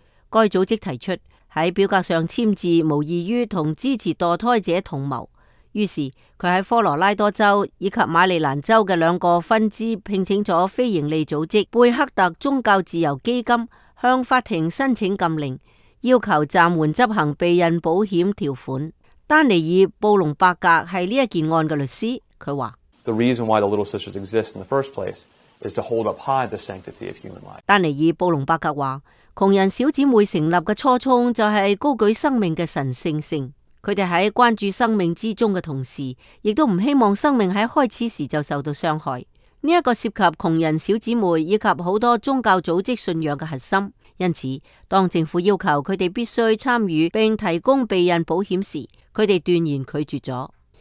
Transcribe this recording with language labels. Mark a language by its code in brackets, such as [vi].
[zh] 该组织提出在表格上签字无异于和支持堕胎者同谋，于是他在科罗拉多州以及马里兰州的两个分支聘请了非营利组织贝克特宗教自由基金向法庭申请禁令，要求暂缓执行避孕保险条款。丹尼尔·布隆伯格是这件案的律师，他说 [en] The reason why the little sisters exist in the first place is to hold up high the sanctity of human life. [zh] 丹尼尔·布隆伯格说，穷人小姊妹成立的初衷就是高举生命的神圣性，他们在关注生命之中的同时也都不希望生命在开始时就受到伤害。这个涉及穷人小姊妹以及很多宗教组织信仰的核心，因此当政府要求他们必须参与并提供避孕保险时，他们断然拒绝了。